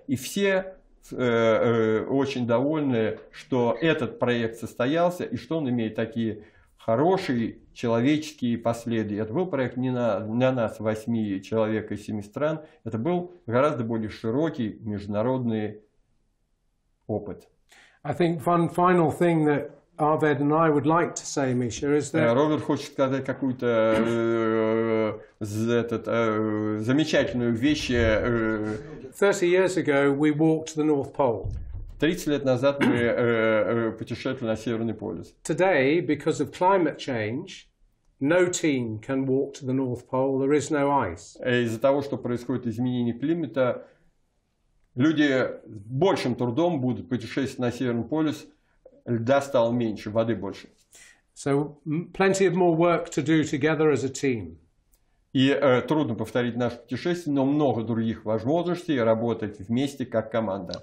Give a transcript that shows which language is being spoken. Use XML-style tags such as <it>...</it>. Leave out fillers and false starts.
<ru>И все очень довольны, что этот проект состоялся и что он имеет такие хорошие человеческие последствия. Это был проект не на нас, 8 человек из 7 стран. Это был гораздо более широкий международный опыт.</ru> <en>I think one final thing that Arved and I would like to say, Misha, is that...</en> <ru>Роберт хочет сказать какую-то замечательную вещь.</ru> <en>30 years ago we walked to the North Pole.</en> <ru>30 лет назад мы путешествовали на Северный полюс.</ru> <en>Today, because of climate change, no team can walk to the North Pole. There is no ice.</en> <ru>Из-за того, что происходит изменение климата, люди с большим трудом будут путешествовать на Северный полюс. Льда стало меньше, воды больше.</ru> <en>So, plenty of more work to do together as a team.</en> <ru>И трудно повторить наше путешествие, но много других возможностей работать вместе как команда.</ru>